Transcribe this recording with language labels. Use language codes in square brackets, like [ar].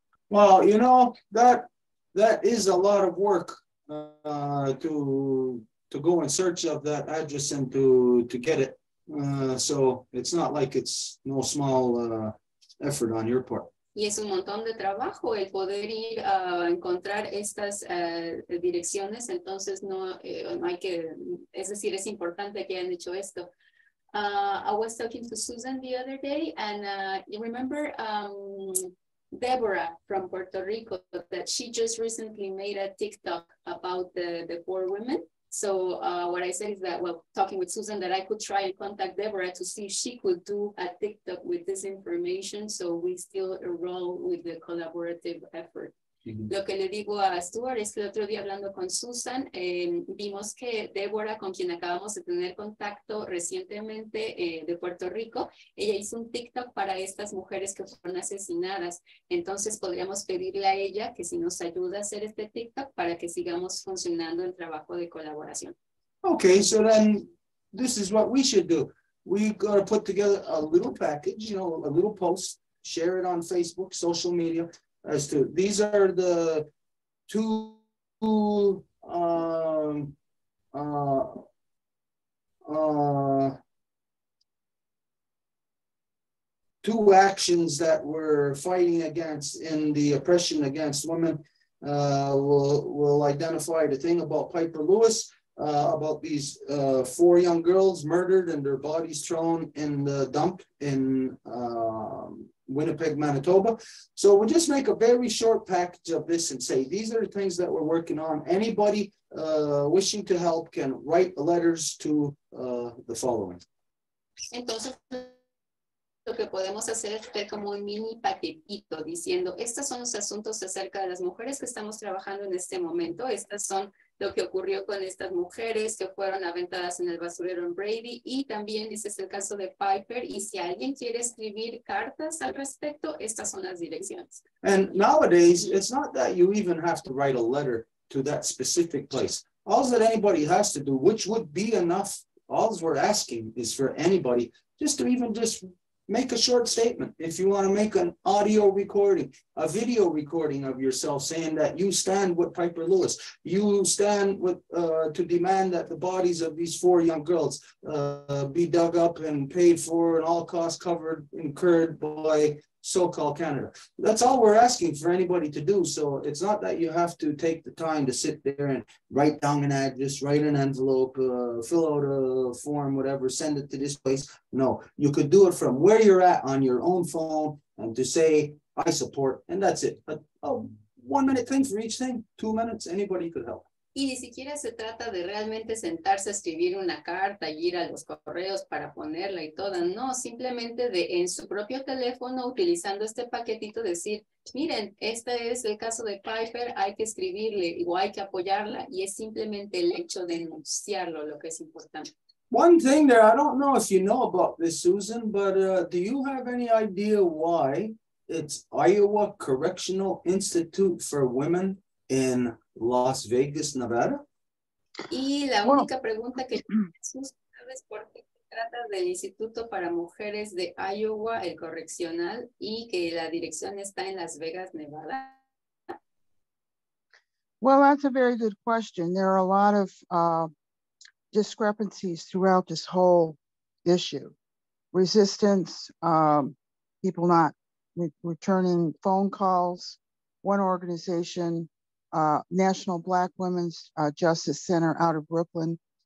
[en] Well, you know, that is a lot of work to go in search of that address and to get it. So it's not like it's no small effort on your part. [es] Y es un montón de trabajo el poder ir a encontrar estas direcciones. Entonces no hay que, es decir, es importante que hayan hecho esto. [en] I was talking to Susan the other day, and you remember Deborah from Puerto Rico, that she just recently made a TikTok about the poor women. So what I said is that, well, talking with Susan, that I could try and contact Deborah to see if she could do a TikTok with this information. So we still roll with the collaborative effort. Mm-hmm. [es] Lo que le digo a Stuart es que el otro día hablando con Susan, vimos que Deborah, con quien acabamos de tener contacto recientemente de Puerto Rico, ella hizo un TikTok para estas mujeres que fueron asesinadas. Entonces podríamos pedirle a ella que si nos ayuda a hacer este TikTok para que sigamos funcionando el trabajo de colaboración. [en] Okay, so then this is what we should do. We got to put together a little package, you know, a little post, share it on Facebook, social media, as to these are the two two actions that we're fighting against in the oppression against women. We'll identify the thing about Piper Lewis, about these four young girls murdered and their bodies thrown in the dump in Winnipeg, Manitoba. So we'll just make a very short package of this and say, these are the things that we're working on. Anybody wishing to help can write letters to the following. [es] Entonces, lo que podemos hacer es hacer como un mini paquetito diciendo, estos son los asuntos acerca de las mujeres que estamos trabajando en este momento. Estas son lo que ocurrió con estas mujeres que fueron aventadas en el basurero en Brady, y también dices el caso de Piper, y si alguien quiere escribir cartas al respecto, estas son las direcciones. [en] And nowadays, it's not that you even have to write a letter to that specific place. All that anybody has to do, which would be enough, all we're asking is for anybody just to even just make a short statement. If you want to make an audio recording, a video recording of yourself saying that you stand with Piper Lewis, you stand with to demand that the bodies of these four young girls be dug up and paid for and all costs covered, incurred by so-called Canada. That's all we're asking for anybody to do. So it's not that you have to take the time to sit there and write down an address, write an envelope, fill out a form, whatever, send it to this place. No, you could do it from where you're at on your own phone and to say, I support, and that's it. A 1 minute thing for each thing, 2 minutes, anybody could help. [es] Y ni siquiera se trata de realmente sentarse a escribir una carta y ir a los correos para ponerla y toda. No, simplemente de en su propio teléfono, utilizando este paquetito, decir, miren, este es el caso de Piper, hay que escribirle o hay que apoyarla. Y es simplemente el hecho de denunciarlo lo que es importante. [en] One thing there, I don't know if you know about this, Susan, but do you have any idea why it's Iowa Correctional Institute for Women in Las Vegas, Nevada? [es] Y la única pregunta que ¿sabes por qué se trata del Instituto para Mujeres de Iowa, el Correccional, y que la dirección está en Las Vegas, Nevada? [en] Well, that's a very good question. There are a lot of discrepancies throughout this whole issue. Resistance, people not returning phone calls, one organization, National Black Women's Justice Center out of Brooklyn.